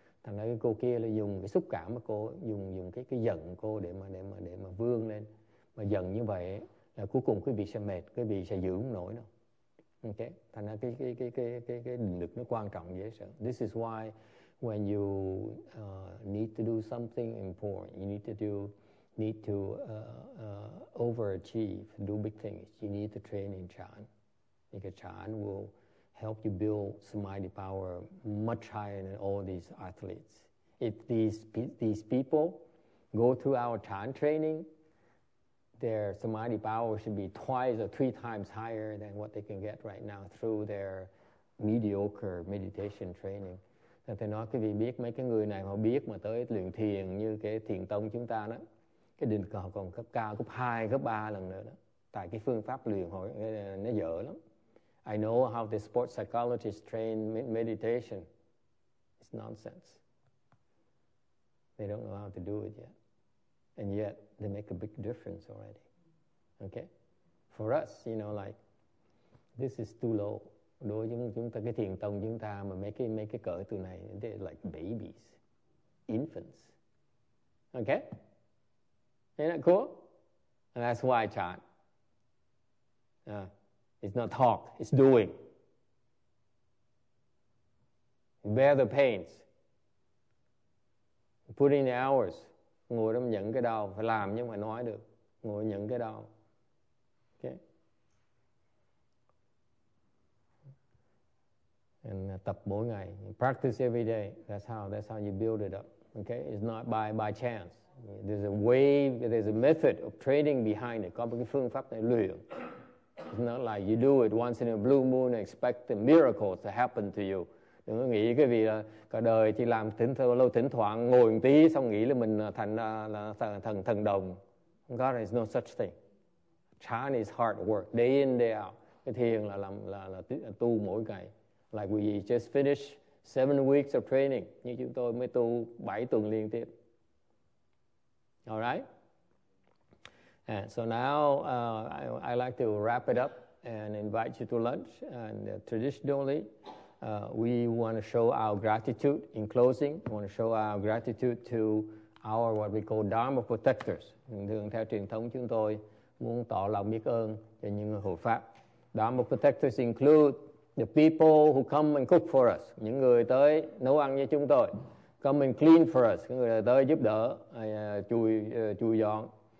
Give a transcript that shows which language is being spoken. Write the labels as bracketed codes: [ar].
[vi] Thành ra cái cô kia là dùng cái xúc cảm của cô, dùng cái giận cô để mà vươn lên. Mà giận như vậy là cuối cùng quý vị sẽ mệt, quý vị sẽ giữ không nổi đâu. Ok, thành ra cái định lực nó quan trọng dễ sợ. [en] This is why when you need to do something important, you need to overachieve, do big things, you need to train in chan. Because chan will help you build samadhi power much higher than all these athletes. If these people go through our chan training, their samadhi power should be twice or three times higher than what they can get right now through their mediocre meditation training. [vi] Thì thầy nói, quý vị biết mấy cái người này họ biết mà tới luyện thiền như cái thiền tông chúng ta đó, cái định cầu còn cấp cao gấp 2, gấp 3 lần nữa đó. Tại cái phương pháp luyện họ nó dở lắm. [en] I know how the sports psychologists train meditation. It's nonsense. They don't know how to do it yet. And yet, they make a big difference already. Okay? For us, you know, like, this is too low. [vi] Đối với chúng ta, cái thiền tông chúng ta mà mấy cái cỡ từ này, [en] they're like babies, infants. Okay? Isn't that cool? And that's why I chant. It's not talk, it's doing. Bear the pains. Put in the hours. [vi] Ngồi đó nhận cái đau, phải làm nhưng mà nói được. Ngồi nhận cái đau. [en] And [vi] tập mỗi ngày, [en] you practice every day. That's how you build it up. Okay, it's not by chance. There's a way, there's a method of training behind it. [vi] Có một cái phương pháp để luyện. [en] It's not like you do it once in a blue moon and expect the miracle to happen to you. [vi] Đừng có nghĩ cái gì là cả đời chỉ làm thỉnh thoảng ngồi một tí xong nghĩ là mình thành thần đồng. [en] God is no such thing. Chan is hard work, day in day out. [vi] Cái thiền là tu mỗi ngày. [en] Like we just finished 7 weeks of training. [vi] Như chúng tôi mới tu 7 tuần liên tiếp. [en] Alright? And so now I like to wrap it up and invite you to lunch. And traditionally, we want to show our gratitude in closing. We want to show our gratitude to our what we call Dharma protectors. [vi] Thường theo truyền thống chúng tôi muốn tỏ lòng biết ơn cho những người hộ pháp. [en] Dharma protectors include the people who come and cook for us, [vi] những người tới nấu ăn như chúng tôi, [en] come and clean for us, [vi] những người tới giúp đỡ, chùi dọn.